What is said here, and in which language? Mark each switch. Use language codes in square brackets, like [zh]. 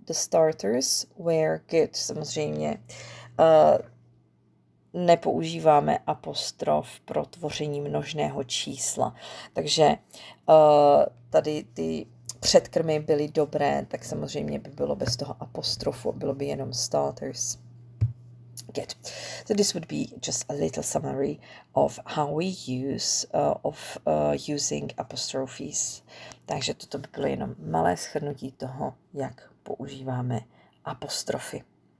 [en] The starters were good. [cs] Samozřejmě nepoužíváme apostrof pro tvoření množného čísla. Takže tady ty předkrmy byly dobré, tak samozřejmě by bylo bez toho apostrofu, bylo by jenom starters. [en] Good. So this would be just a little summary of how we use of using apostrophes. [cs] Takže toto by bylo jenom malé shrnutí toho, jak používáme apostrofy.